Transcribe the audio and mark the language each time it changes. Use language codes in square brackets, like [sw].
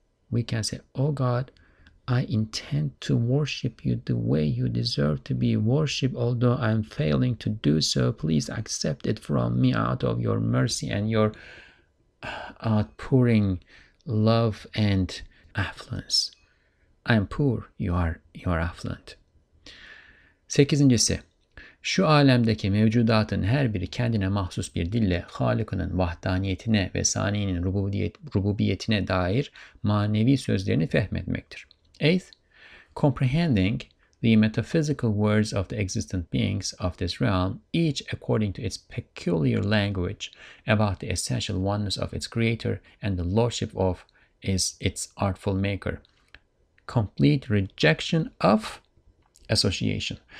[en] We can say, oh God, I intend to worship you the way you deserve to be worshipped, although I'm failing to do so. Please accept it from me out of your mercy and your outpouring love and affluence. I am poor, you are affluent. [tr] Sekizincisi, şu alemdeki mevcudatın her biri kendine mahsus bir dille Halık'ının vahdaniyetine ve saniyenin rububiyetine dair manevi sözlerini fehmetmektir. [en] Eighth, comprehending the metaphysical words of the existent beings of this realm, each according to its peculiar language about the essential oneness of its creator and the lordship of its artful maker. Complete rejection of association.